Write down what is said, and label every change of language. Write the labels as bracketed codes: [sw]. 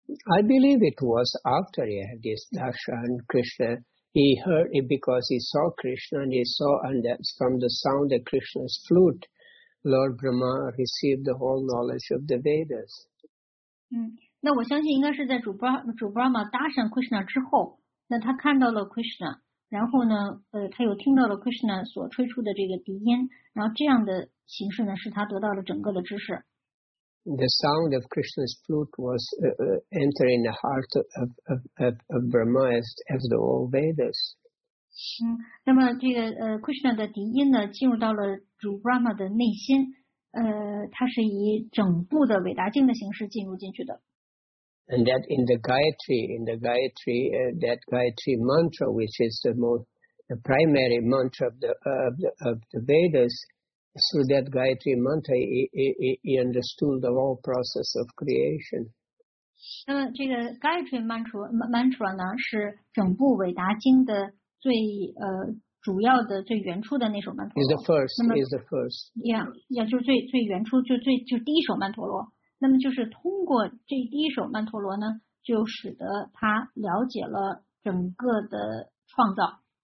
[en] I believe it was after he had this darshan Krishna. He heard it because he saw Krishna, and he saw, and that's from the sound of Krishna's flute, Lord Brahma received the whole knowledge of the Vedas. [zh] 那我相信应该是在主 Brahma 达善 Krishna 之后，那他看到了 Krishna， 然后呢，他又听到了 Krishna 所吹出的这个笛音，然后这样的形式呢，使他得到了整个的知识。 [en] The sound of Krishna's flute was entering the heart of Brahma as the old Vedas. [zh] 那么这个Krishna 的笛音呢，进入到了主 Brahma 的内心，它是以整部的伟达经的形式进入进去的。 [en] And that in the Gayatri, that Gayatri mantra, which is the primary mantra of the Vedas. So that Gayatri mantra, he understood the whole process of creation. [zh] 那么这个 Gayatri mantra 呢，是整部伟达经的最主要的、最原初的那首曼陀罗。 [en] Is the first. [zh] Yeah， 就是最原初，就第一首曼陀罗。那么就是通过这第一首曼陀罗呢，就使得他了解了整个的创造。